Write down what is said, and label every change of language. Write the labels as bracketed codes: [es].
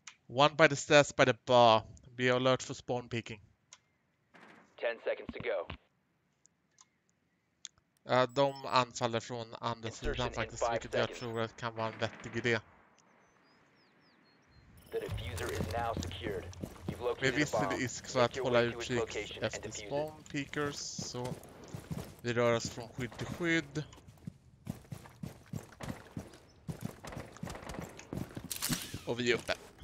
[en] One by the stairs by the bar. Be alert for spawn peeking. 10 seconds to go. [sv] De anfaller från andra sidan faktiskt, vilket jag tror att kan vara en vettig idé. [en] The diffuser is now secured. You've located [sv] med viss risk för att hålla utkik efter spawn peekers, så vi rör oss från skydd till skydd. Och vi är uppe.